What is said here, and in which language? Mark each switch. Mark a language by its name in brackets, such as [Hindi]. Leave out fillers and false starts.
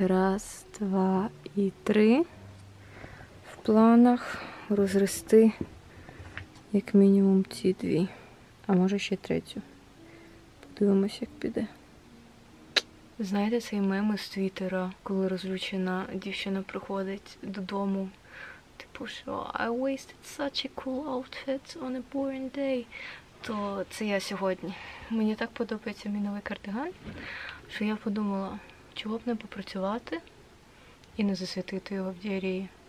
[Ukrainian] Раз, два і три. В планах розрости як мінімум ці дві. А може ще третю. Подивимось, як піде. Знаєте цей мем з Твіттера, коли розлючена дівчина приходить додому? Типу, що [English] I wasted such a cool outfit on a boring day. [Ukrainian] То це я сьогодні. Мені так подобається мій новий кардиган, що я подумала, чого б не попрацювати і не засвітити його в діарії.